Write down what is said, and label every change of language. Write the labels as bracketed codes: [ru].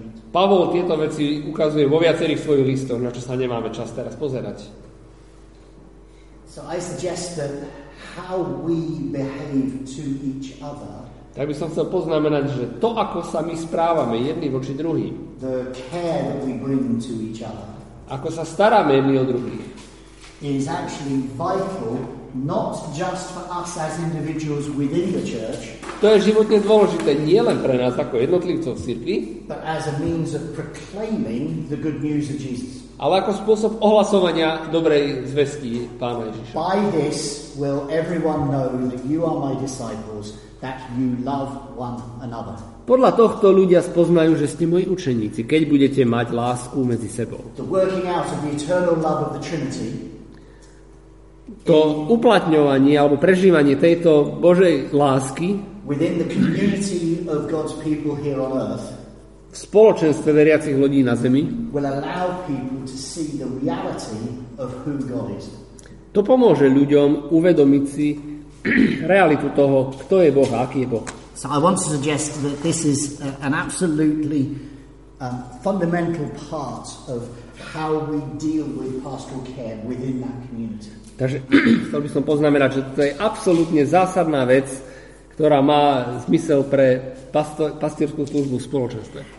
[sk] Pavol tieto veci ukazuje vo viacerých svojich listoch, na čo sa nemáme čas teraz pozerať. [en] So I suggest that how we behave to each other. [sk] Tak by som chcel poznamenať, že to, ako sa my správame jedni voči druhým, [en] the care that we bring to each other, [sk] ako sa staráme jedni o druhých, [en] is actually vital, not just for us as individuals within the church, [sk] to je životne dôležité nie len pre nás ako jednotlivcov v cirkvi, [en] but as a means of proclaiming the good news of Jesus. [sk] Ale ako spôsob ohlasovania dobrej zvesti Pána Ježiša. [en] By this will everyone know that you are my disciples, that you love one another. [sk] Podľa tohto ľudia spoznajú, že ste moji učeníci, keď budete mať lásku medzi sebou. [en] The working out of the eternal love of the Trinity, [sk] to uplatňovanie alebo prežívanie tejto Božej lásky [en] within the community of God's people here on earth, [sk] v spoločenstve veriacich ľudí na zemi, [en] will allow people to see the reality of who God is. [sk] To pomôže ľuďom uvedomiť si realitu toho, kto je Boh a aký je Boh. [en] So I want to suggest that this is an absolutely fundamental part of how we deal with pastoral care within that community. [sk] Takže chcel by som poznamenať, že to je absolútne zásadná vec, ktorá má zmysel pre pastierskú službu v spoločenstve.